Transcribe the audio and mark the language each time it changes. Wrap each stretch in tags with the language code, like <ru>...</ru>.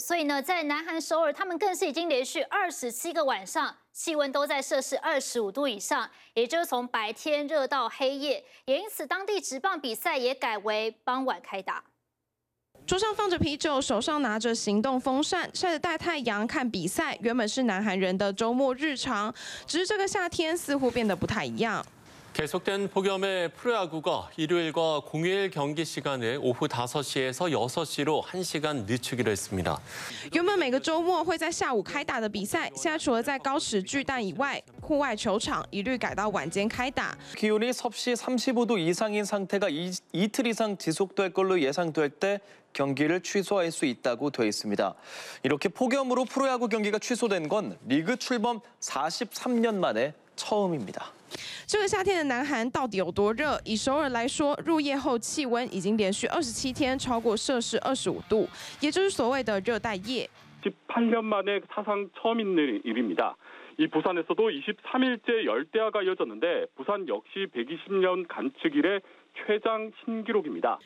<zh>所以呢，在南韩首尔，他们更是已经连续27个晚上，气温都在摄氏25度以上，也就是从白天热到黑夜。也因此，当地职棒比赛也改为傍晚开打。桌上放着啤酒，手上拿着行动风扇，晒着大太阳看比赛，原本是南韩人的周末日常。只是这个夏天似乎变得不太一样。</zh> <ko>계속된폭염에프로야구가일요일과공휴일경기시간을오후5시에서6시로1시간늦추기로했습니다</ko> <zh>原本每个周末会在下午开打的比赛，现在除了在高尺巨蛋以外，户外球场一律改到晚间开打。</zh> <ko>기온이섭씨35도이상인상태가 이틀이상지속될걸로예상될때경기를취소할수있다고되어있습니다이렇게폭염으로프로야구경기가취소된건리그출범43년만에처음입니다</ko> <zh>这个夏天的南韩到底有多热？以首尔来说，入夜后气温已经连续27天超过摄氏25度，也就是所谓的热带夜。</zh> <ko>18년만에사상처음있는일입니다이부산에서도23일째열대야가이어졌는데부산역시120년간측일의최장신기록입니다</ko>